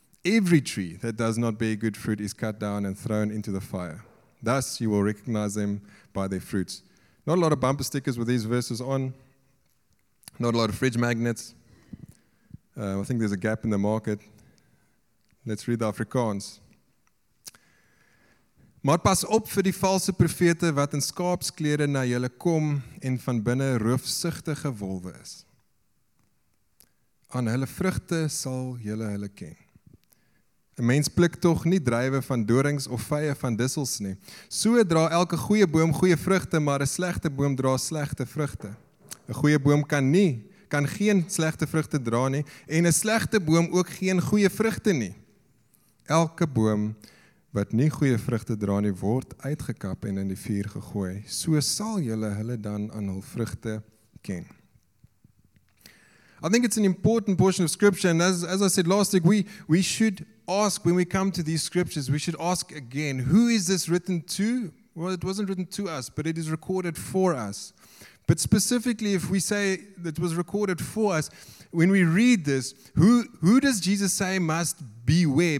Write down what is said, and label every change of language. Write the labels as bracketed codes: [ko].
[en] Every tree that does not bear good fruit is cut down and thrown into the fire. Thus you will recognize them by their fruits. Not a lot of bumper stickers with these verses on. Not a lot of fridge magnets. I think there's a gap in the market. Let's read the Afrikaans. [af] Maar pas op vir die valse profete wat in skaapsklere na julle kom en van binne roofsugtige wolwe is. Aan hulle vrugte sal julle hulle ken. 'N mens pluk tog nie druiwe van dorings of vye van dissels nie. So dra elke goeie boom goeie vrugte, maar 'n slegte boom dra slegte vrugte. 'N goeie boom kan geen slegte vrugte dra nie en 'n slegte boom ook geen goeie vrugte nie. Elke boom wat nie goeie vrugte dra nie word uitgekap en in die vuur gegooi. So sal julle hulle dan aan hul vrugte ken. [en] I think it's an important portion of scripture, and as I said last week, we should ask, when we come to these scriptures, we should ask again, who is this written to? Well, it wasn't written to us, but it is recorded for us. But specifically, if we say that it was recorded for us, when we read this, who does Jesus say must beware?